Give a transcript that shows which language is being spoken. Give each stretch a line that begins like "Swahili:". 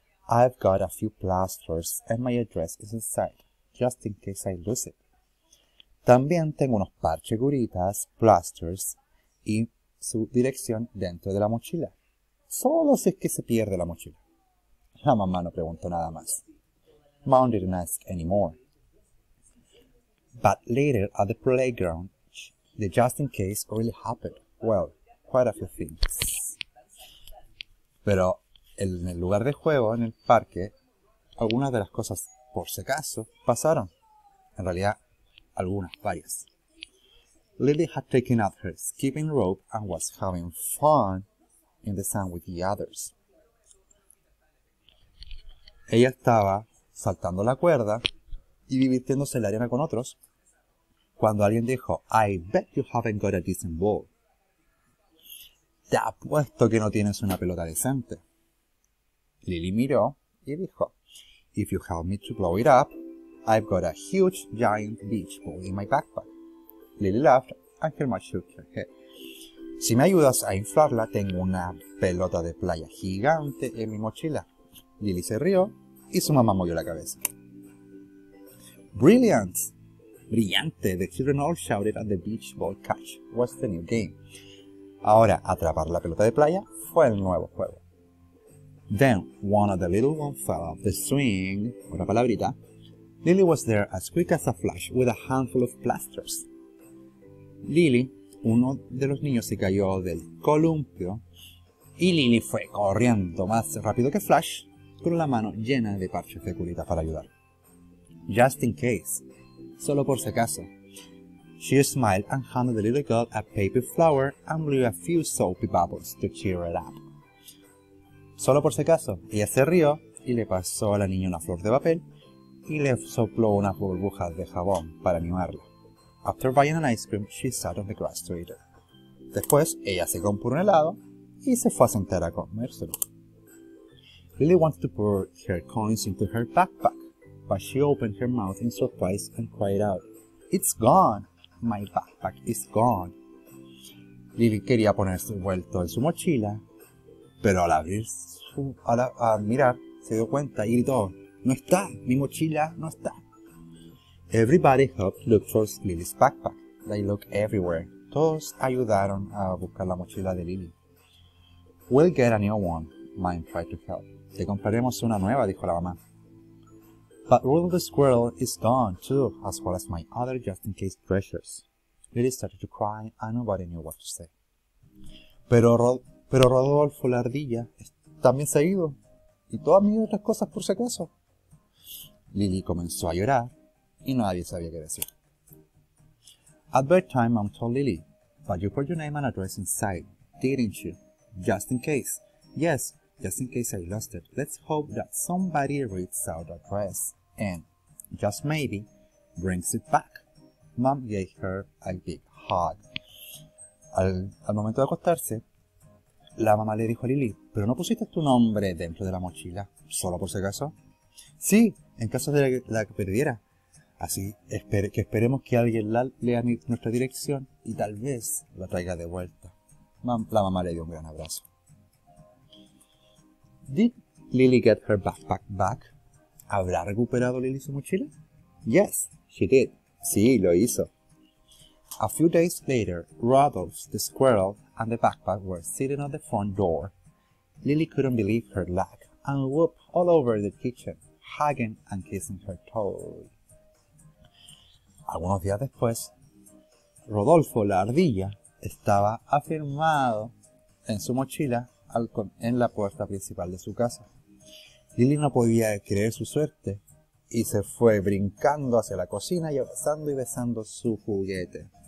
English: I've got a few plasters and my address is inside. Just in case I lose it.
Spanish: También tengo unos parches, curitas, plasters y su dirección dentro de la mochila. Solo si es que se pierde la mochila. La mamá no preguntó nada más.
English: Mom didn't ask anymore. But later at the playground, the just in case really happened. Well, quite a few things.
Spanish: Pero en el lugar de juego, en el parque, algunas de las cosas, por si acaso, pasaron. En realidad, algunas, varias.
English: Lily had taken out her skipping rope and was having fun in the sand with the others.
Spanish: Ella estaba saltando la cuerda y divirtiéndose en la arena con otros cuando alguien dijo,
English: I bet you haven't got a decent ball.
Spanish: Te apuesto que no tienes una pelota decente. Lily miró y dijo,
English: if you help me to blow it up, I've got a huge giant beach ball in my backpack. Lily laughed and Helma shook her head.
Spanish: Si me ayudas a inflarla, tengo una pelota de playa gigante en mi mochila. Lily se rió y su mamá movió la cabeza.
English: Brilliant!
Spanish: Brillante!
English: The children all shouted at the beach ball catch. What's the new game?
Spanish: Ahora, atrapar la pelota de playa fue el nuevo juego.
English: Then, one of the little ones fell off the swing.
Spanish: Una palabrita.
English: Lily was there as quick as a flash with a handful of plasters.
Spanish: Lily, uno de los niños se cayó del columpio y Lily fue corriendo más rápido que Flash con la mano llena de parches de curita para ayudar.
English: Just in case.
Spanish: Solo por si acaso.
English: She smiled and handed the little girl a paper flower and blew a few soapy bubbles to cheer her up.
Spanish: Solo por si acaso. Ella se rió y le pasó a la niña una flor de papel y le sopló unas burbujas de jabón para animarla.
English: After buying an ice cream, she sat on the grass to eat it.
Spanish: Después, ella se compró un helado y se fue a sentar a comérselo.
English: Lily wanted to pour her coins into her backpack, but she opened her mouth in surprise and cried out, It's gone! My backpack is gone!
Spanish: Lily quería poner su vuelto en su mochila, pero al mirar, se dio cuenta y gritó, No está, mi mochila no está.
English: Everybody helped look for Lily's backpack. They looked everywhere.
Spanish: Todos ayudaron a buscar la mochila de Lily.
English: We'll get a new one, Mom tried to help.
Spanish: Te compraremos una nueva, dijo la mamá.
English: But Rudolph the Squirrel is gone too, as well as my other just-in-case treasures. Lily started to cry and nobody knew what to say.
Spanish: Pero Rodolfo la ardilla también se ha ido. Y todas mis otras cosas por si acaso. Lily comenzó a llorar y nadie sabía qué decir.
English: At bedtime, Mom told Lily, but you put your name and address inside, didn't you? Just in case. Yes, just in case I lost it. Let's hope that somebody reads out the address and, just maybe, brings it back. Mom gave her a big hug.
Spanish: Al momento de acostarse, la mamá le dijo a Lily, ¿pero no pusiste tu nombre dentro de la mochila, solo por si acaso? Sí, en caso de la que perdiera. Así que esperemos que alguien lea nuestra dirección y tal vez la traiga de vuelta. La mamá le dio un gran abrazo.
English: Did Lily get her backpack back?
Spanish: ¿Habrá recuperado Lily su mochila?
English: Yes, she did.
Spanish: Sí, lo hizo.
English: A few days later, Rudolph, the squirrel, and the backpack were sitting on the front door. Lily couldn't believe her luck and whooped all over the kitchen, hugging and kissing her toy.
Spanish: Algunos días después, Rodolfo, la ardilla, estaba afirmado en su mochila en la puerta principal de su casa. Lily no podía creer su suerte y se fue brincando hacia la cocina y besando su juguete.